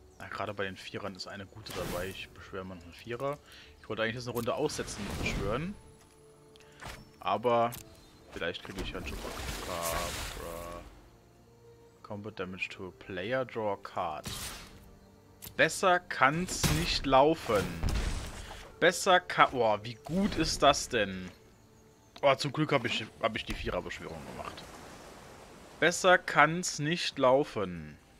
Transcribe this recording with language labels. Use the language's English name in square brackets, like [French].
[German] Gerade bei den Vierern ist eine gute dabei. Ich beschwöre mal noch einen Vierer. Ich wollte eigentlich jetzt eine Runde aussetzen und beschwören. Aber vielleicht kriege ich ja Chupacabra. [English] Combat Damage to a Player, draw a card. [German] Besser kann's nicht laufen. Besser kann. Boah, wie gut ist das denn? Oh, zum Glück habe ich die Viererbeschwörung gemacht. Besser kann's nicht laufen.